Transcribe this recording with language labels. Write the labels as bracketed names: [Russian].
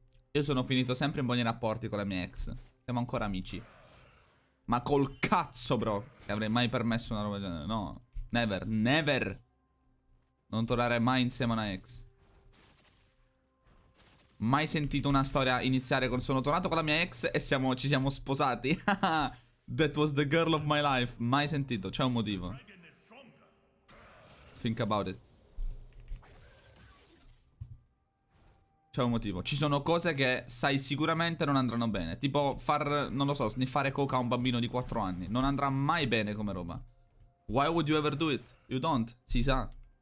[Italian] Io sono finito sempre in buoni rapporti con la mia ex. Siamo ancora amici. Ma col cazzo, bro, che avrei mai permesso una roba del genere. No. [English] Never, never. [Italian] Non tornare mai insieme a una ex. Mai sentito una storia iniziare con sono tornato con la mia ex e ci siamo sposati. [English] That was the girl of my life. [Italian] Mai sentito, c'è un motivo. [English] Think about it. [Italian] C'è un motivo. Ci sono cose che sai sicuramente non andranno bene. Tipo far, non lo so, sniffare coca a un bambino di 4 anni. Non andrà mai bene come roba. [English] Why would you ever do it? You don't. [Italian] Si sa.